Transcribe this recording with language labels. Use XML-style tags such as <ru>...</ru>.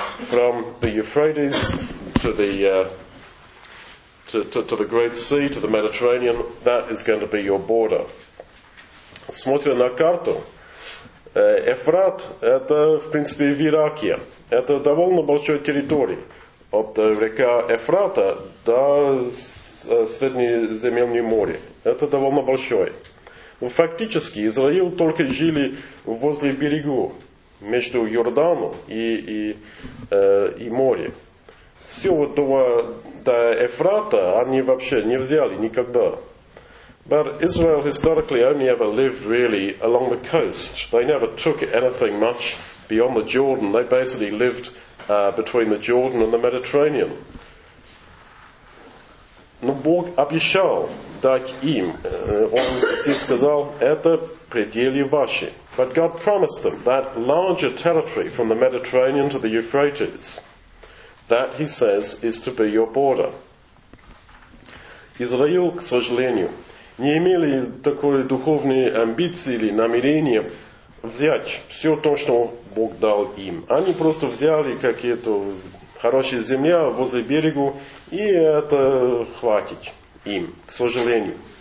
<en>From the Euphrates to the Great Sea, to the Mediterranean, that is going to be your border.</en> <ru>Смотрим на карту. Евфрат – это, в принципе, Иракия. Это довольно большая территория. От река Евфрата до Среднеземного моря. Это довольно большое. Но фактически, Израиль только жили возле берегу. Между Йорданом и морем. Все вот до Евфрата они вообще не взяли никогда.</ru> <en>But Israel historically only ever lived really along the coast. They never took anything much beyond the Jordan. They basically lived between the Jordan and the Mediterranean.</en> <ru>Но Бог обещал дать им. Он здесь сказал, это пределы ваши.</ru> <en>But God promised them that larger territory from the Mediterranean to the Euphrates, that He says is to be your border.</en> <ru>Израиль, к сожалению, не имели такой духовной амбиции или намерения взять все то, что Бог дал им. Они просто взяли какие-то хорошие земля возле берегу, и это хватит им, к сожалению.</ru>